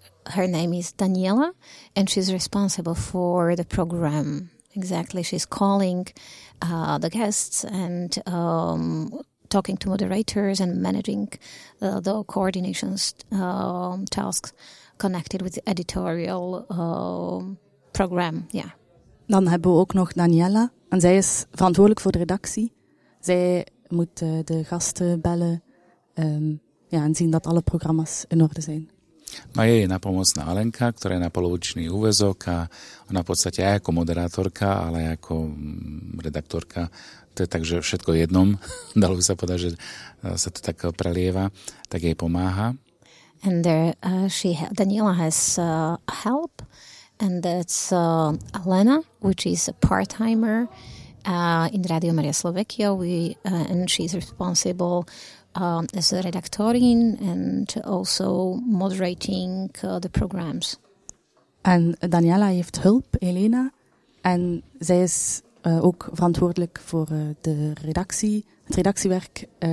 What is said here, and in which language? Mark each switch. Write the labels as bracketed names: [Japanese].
[English] Her name is Daniela and she's responsible for the program. Exactly, she's calling the guests and talking to moderators and managing the coordination tasks connected with the editorial program. Yeah. [Dutch] Dan hebben we ook nog Daniela. En zij is verantwoordelijk voor de redactie. Zij moet de gasten bellen en zien dat alle programma's in orde zijn. [Slovak] Maar je napomocná Alenka, ktorá je na polovičný úvezok a ona v podstate aj ako moderátorka, ale aj ako redaktorka. To je tak, že všetko jednom, dalo by sa povedať, že sa to tak prelieva, tak jej pomáha. [English] And there, Daniela has help. And that's Alena, which is a part-timer in Radio Maria Slovakia. And she's responsible as a redactorin and also moderating the programs. [Dutch] En Daniela heeft hulp, Elena. En zij is ook verantwoordelijk voor de redactie, het redactiewerk.